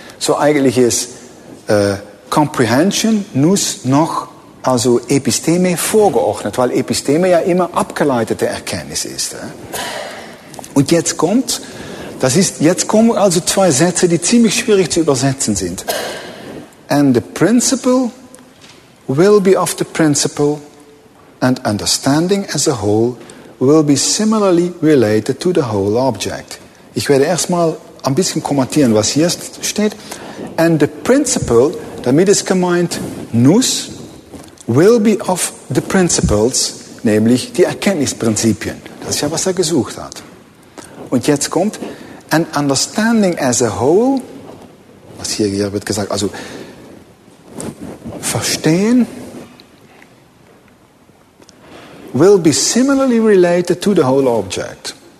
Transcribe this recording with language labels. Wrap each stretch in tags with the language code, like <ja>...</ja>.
<de>So, eigentlich ist comprehension nous noch. Also Episteme vorgeordnet, weil Episteme ja immer abgeleitete Erkenntnis ist. Und jetzt kommt, jetzt kommen also zwei Sätze, die ziemlich schwierig zu übersetzen sind.</de> <en>And the principle will be of the principle, and understanding as a whole will be similarly related to the whole object.</en> <de>Ich werde erstmal ein bisschen kommentieren, was hier steht.</de> <en>And the principle,</en> <de>damit ist gemeint,</de> <en>nous, will be of the principles,</en> <de>nämlich die Erkenntnisprinzipien. Das ist ja, was er gesucht hat. Und jetzt kommt,</de> <en>and understanding as a whole,</en> <de>was hier wird gesagt, also verstehen,</de> <en>will be similarly related to the whole object.</en>